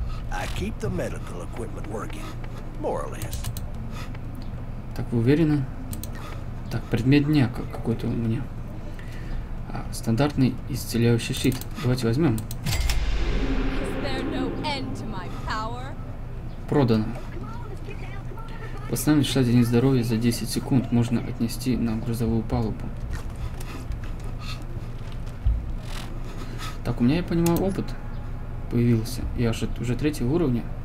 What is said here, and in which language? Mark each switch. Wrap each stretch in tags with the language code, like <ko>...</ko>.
<en>I keep the medical equipment working, more or less.</en> <ru>Так, вы уверены? Так, предмет дня какой-то у меня. А, стандартный исцеляющий щит. Давайте возьмем.</ru> <en>Is there no end to my power?</en> <ru>Продано. Постоянно лишать один здоровья за 10 секунд можно отнести на грузовую палубу. Так, у меня, я понимаю, опыт появился. Я же уже третьего уровня.</ru>